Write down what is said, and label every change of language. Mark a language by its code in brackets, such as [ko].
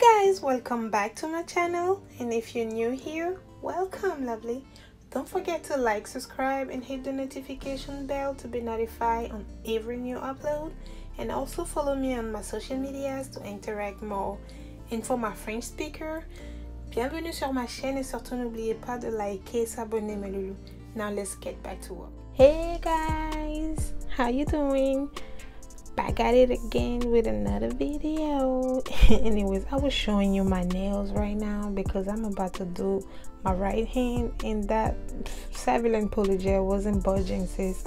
[en] guys, welcome back to my channel, and if you're new here, welcome lovely. Don't forget to like, subscribe, and hit the notification bell to be notified on every new upload, and also follow me on my social medias to interact more. And for my French speaker, [fr] bienvenue sur ma chaîne, et surtout n'oubliez pas de liker, s'abonner, mes loulous. [en] Now let's get back to work. Hey guys, how you doing? Back at it again with another video. Anyways, I was showing you my nails right now because I'm about to do my right hand, and that Vafee Polygel wasn't budging, sis.